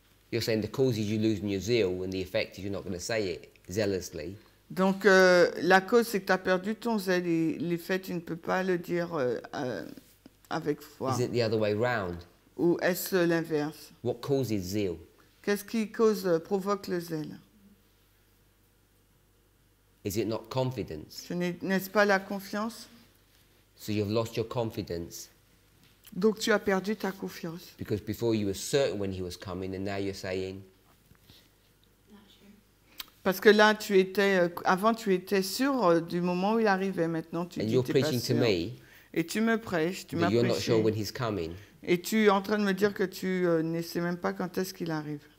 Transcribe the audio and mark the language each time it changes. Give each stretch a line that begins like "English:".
English: You're saying the cause is you losing your zeal and the effect is you're not going to say it zealously.
French: Donc, la cause c'est que tu as perdu ton zèle et l'effet tu ne peux pas le dire... avec foi.
English: Is it the other way round?
French: Ou est-ce l'inverse?
English: What causes zeal?
French: Qu'est-ce qui provoque le zèle?
English: Is it not confidence?
French: N'est-ce pas la confiance?
English: So you've lost your confidence.
French: Donc tu as perdu ta confiance.
English: Because before you were certain when he was coming, and now you're saying. Not sure.
French: Parce que là, tu étais avant, tu étais sûr du moment où il arrivait. Maintenant, tu n'étais pas sûr.
English: And you're preaching to me.
French: Et tu me prêches, tu m'apprécies.
English: You're not sure when he's coming.
French: Et tu es en train de me dire que tu ne sais même pas quand est-ce qu'il arrive.